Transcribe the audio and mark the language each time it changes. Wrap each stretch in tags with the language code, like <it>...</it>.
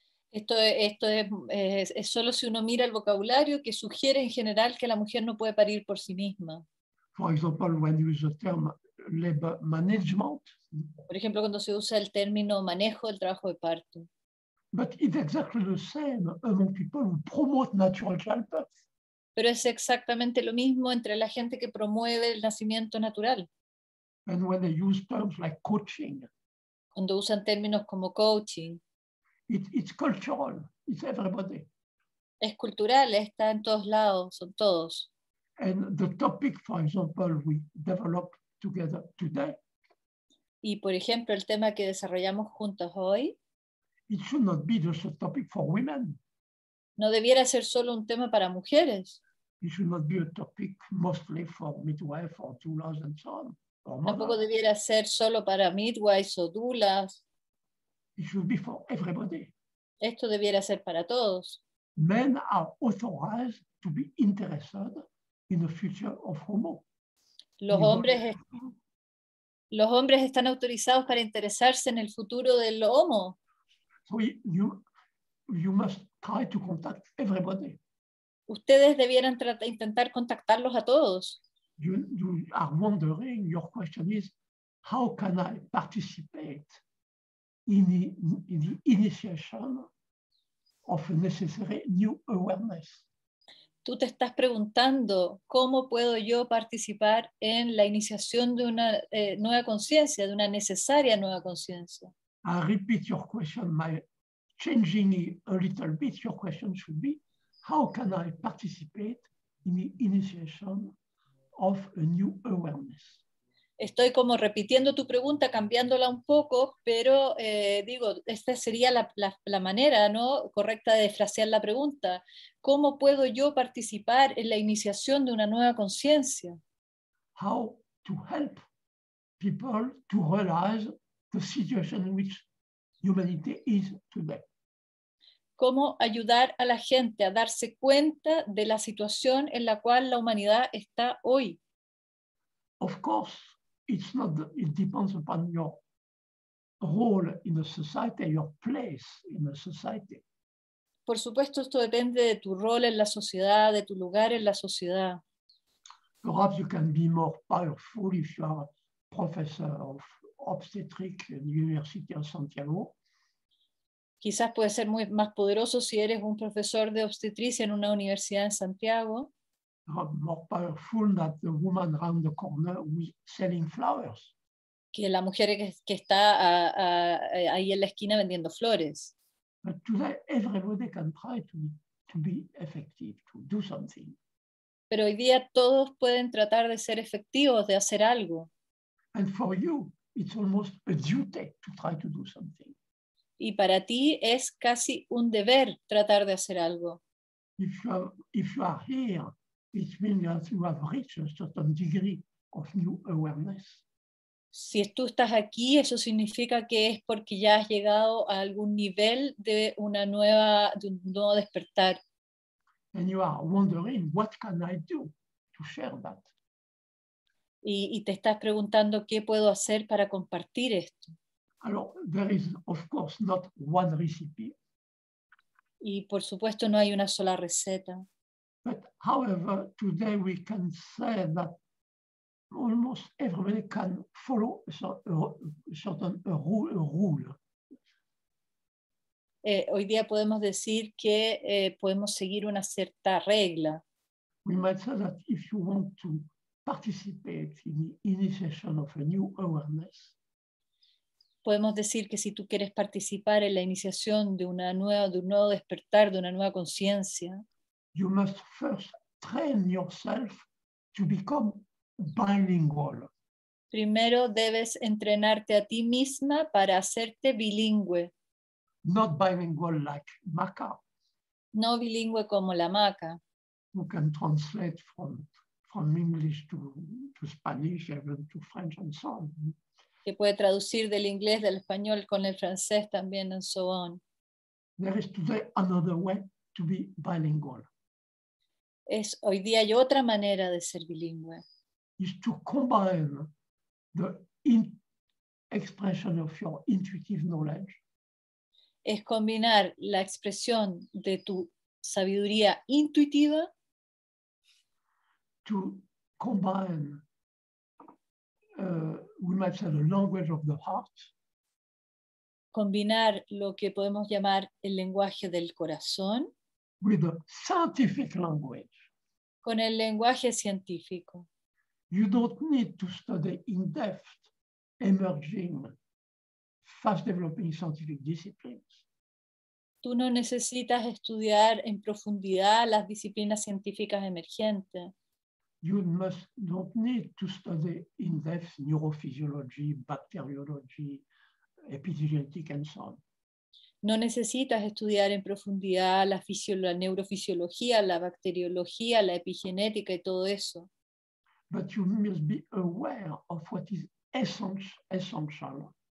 <es>Esto es solo si uno mira el vocabulario que sugiere en general que la mujer no puede parir por sí misma.</es> <en>For example, when you use the term labor management.</en> <es>Por ejemplo, cuando se usa el término manejo del trabajo de parto.</es> <en>But it's exactly the same among people who promote natural childbirth.</en> <es>Pero es exactamente lo mismo entre la gente que promueve el nacimiento natural.</es> <en>And when they use terms like coaching.</en> <es>Cuando usan términos como coaching.</es> <en>It's cultural. It's everybody.</en> <es>Es cultural. Está en todos lados. Son todos.</es> <en>And the topic, for example, we developed together today.</en> <es>Y por ejemplo, el tema que desarrollamos juntos hoy.</es> <en>It should not be just a topic for women.</en> <es>No debiera ser solo un tema para mujeres.</es> <en>It should not be a topic mostly for midwives or doulas and so on.</en> <es>Tampoco debiera ser solo para midwives o doulas.</es> <en>It should be for everybody.</en> <es>Esto debiera ser para todos.</es> <en>Men are authorized to be interested in the future of homo.</en> <es>Los hombres están autorizados para interesarse en el futuro del homo.</es> <en>So you must try to contact everybody.</en> <es>Ustedes debieran intentar contactarlos a todos.</es> <en>You are wondering, your question is, how can I participate in the initiation of a necessary new awareness.</en> <es>Tú te estás preguntando cómo puedo yo participar en la iniciación de una nueva conciencia, de una necesaria nueva conciencia.</es> <en>I'll repeat your question. My changing it a little bit, your question should be, how can I participate in the initiation of a new awareness?</en> <es>Estoy como repitiendo tu pregunta, cambiándola un poco, pero digo, esta sería la manera, ¿no?, correcta de frasear la pregunta. ¿Cómo puedo yo participar en la iniciación de una nueva conciencia?</es> <en>How to help people to realize the situation in which humanity is today.</en> <es>¿Cómo ayudar a la gente a darse cuenta de la situación en la cual la humanidad está hoy?</es> <en>Of course, it depends upon your role in the society, your place in the society.</en> <es>Por supuesto, esto depende de tu rol en la sociedad, de tu lugar en la sociedad.</es> <en>Perhaps you can be more powerful if you are a professor of obstetrics at the University of Santiago.</en> <es>Quizás puede ser muy más poderoso si eres un profesor de obstetricia en una universidad en Santiago.</es> <en>More powerful than the woman around the corner selling flowers.</en> <es>Que la mujer que está ahí en la esquina vendiendo flores.</es> <en>But today everybody can try to be effective, to do something.</en> <es>Pero hoy día todos pueden tratar de ser efectivos, de hacer algo.</es> <en>And for you, it's almost a duty to try to do something.</en> <es>Y para ti es casi un deber tratar de hacer algo.</es> <en>If you are here, it means that you have reached a certain degree of new awareness.</en> <es>Si tú estás aquí, eso significa que es porque ya has llegado a algún nivel de un nuevo despertar.</es> <en>And you are wondering, what can I do to share that?</en> <es>Y te estás preguntando qué puedo hacer para compartir esto.</es> <fr>Alors,</fr> <en>there is, of course, not one recipe.</en> <es>Y por supuesto no hay una sola receta.</es> <en>But however, today we can say that almost everybody can follow a certain rule.</en> <es>Hoy día podemos decir que podemos seguir una cierta regla.</es> <en>We might say that if you want to participate in the initiation of a new awareness,</en> <es>podemos decir que si tú quieres participar en la iniciación de un nuevo despertar, de una nueva conciencia,</es> <en>you must first train yourself to become bilingual.</en> <es>Primero debes entrenarte a ti misma para hacerte bilingüe.</es> <en>Not bilingual like Maca.</en> <es>No bilingüe como la Maca.</es> <en>Who can translate from English to Spanish, even to French and so on.</en> <es>Que puede traducir del inglés, del español, con el francés también,</es> <en>and so on. There is today another way to be bilingual.</en> <es>Es, hoy día hay otra manera de ser bilingüe.</es> <en>Is to combine the expression of your intuitive knowledge.</en> <es>Es combinar la expresión de tu sabiduría intuitiva.</es> <en>To combine we might say the language of the heart.</en> <es>Combinar lo que podemos llamar el lenguaje del corazón.</es> <en>With a scientific language.</en> <es>Con el lenguaje científico.</es> <en>You don't need to study in depth emerging, fast developing scientific disciplines.</en> <es>Tú no necesitas estudiar en profundidad las disciplinas científicas emergentes.</es> <en>You don't need to study in depth neurophysiology, bacteriology, epigenetics, and so on.</en> <es>No necesitas estudiar en profundidad la neurofisiología, la bacteriología, la epigenética y todo eso.</es> <en>But you must be aware of what is essential.</en>